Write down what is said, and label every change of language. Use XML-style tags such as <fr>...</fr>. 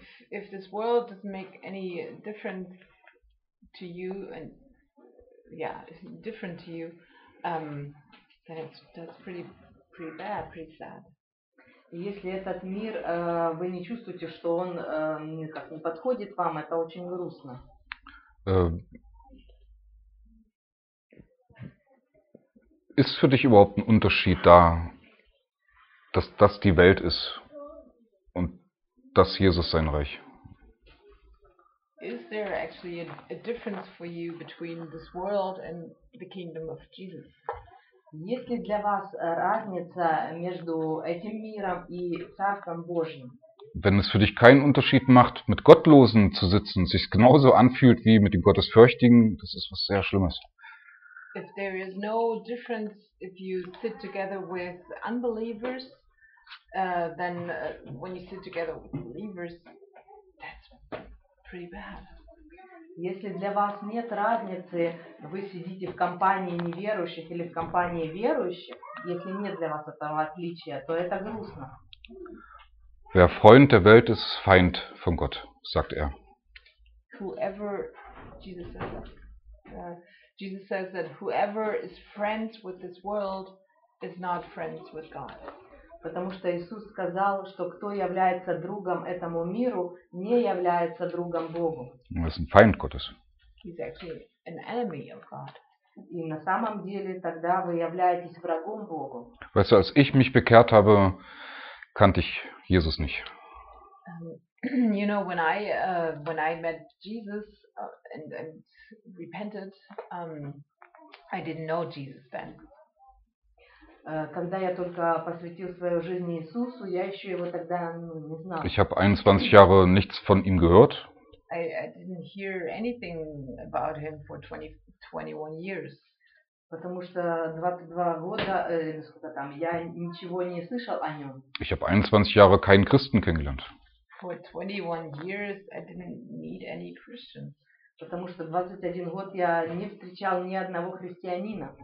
<en>If this world doesn't make any difference to you and yeah, it's different to you, then that's pretty bad, pretty sad.</en> <ru>Если этот мир вы не чувствуете, что он никак не подходит вам, это очень грустно.</ru> <de>Ist für dich überhaupt ein Unterschied da, dass das die Welt ist und dass Jesus sein Reich?</de> <en>Is there actually a difference for you between this world and the kingdom of Jesus?</en> <ru>Есть ли для вас разница между этим миром и Царством Божьим?</ru> <de>Wenn es für dich keinen Unterschied macht, mit Gottlosen zu sitzen, sich genauso anfühlt wie mit den Gottesfürchtigen, das ist was sehr Schlimmes.</de> <en>If there is no difference if you sit together with unbelievers, then when you sit together with believers, that's pretty bad.</en> <ru>Если для вас нет разницы, вы сидите в компании неверующих или в компании верующих, если нет для вас этого отличия, то это грустно.</ru> <de>Wer Freund der Welt ist, Feind von Gott, sagt er.</de> <en>Whoever, Jesus says that whoever is friends with this world is not friends with God.</en> <ru>Потому что Иисус сказал, что кто является другом этому миру, не является другом Богу. Он</ru> <de>ist ein Feind Gottes.</de> <en>He's actually an enemy of God.</en> <ru>И на самом деле тогда вы являетесь врагом Богу.</ru> <de>Weißt du, als ich mich bekehrt habe, kannte ich Jesus nicht.</de> <en>You know, when I met Jesus and repented, I didn't know Jesus then.</en> <ru>Когда я только посвятил свою жизнь Иисусу, я еще его тогда не знал.</ru> <de>Ich habe 21 Jahre nichts von ihm gehört.</de> <en>I didn't hear anything about him for 21 years.</en> <ru>Потому что 22 года, сколько там, я ничего не слышал о нем.</ru> <de>Ich habe 21 Jahre keinen Christen kennengelernt.</de> <en>For 21 years I didn't meet any Christian.</en> <ru>Потому что 21 год я не встречал ни одного христианина.</ru>